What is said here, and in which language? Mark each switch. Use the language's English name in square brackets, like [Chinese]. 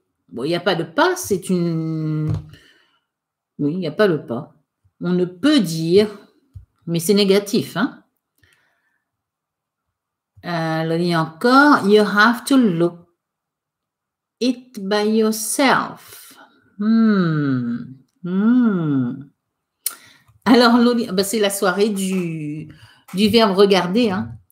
[French] Bon, il n'y a pas de pas, c'est une... Oui, il n'y a pas le pas. On ne peut dire, mais c'est négatif, hein. [English] Lolly [French] encore, [English] you have to look it by yourself. [French] Alors, Lolly, ben c'est la soirée du verbe regarder, hein.